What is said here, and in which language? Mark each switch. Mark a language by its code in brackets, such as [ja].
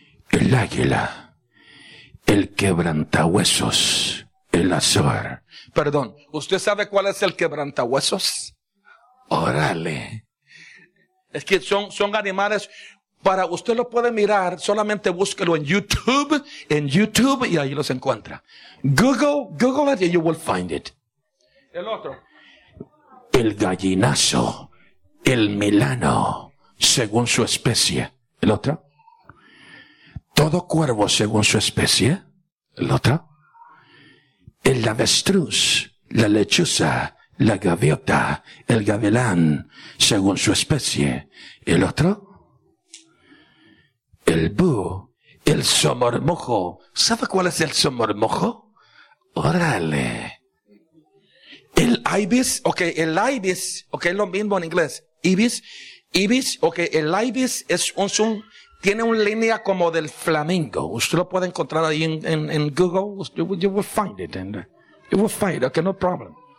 [es] El águila, el quebrantahuesos, el azor. Perdón, ¿usted sabe cuál es el quebrantahuesos? Órale. Es que son animales, para usted lo puede mirar, solamente búsquelo en YouTube y ahí los encuentra. [en] Google it and you will find it. [es] El otro. El gallinazo, el milano, según su especie. El otro. Todo cuervo según su especie. El otro. El avestruz, la lechuza. La gaviota, el gavilán, según su especie. ¿El otro? El búho, el somormujo. ¿Sabe cuál es el somormujo? ¡Órale! El ibis, ok, es lo mismo en inglés. Ibis, ok, el ibis es un tiene una línea como del flamingo. Usted lo puede encontrar ahí en Google. [en] You will find it, ok, no problem.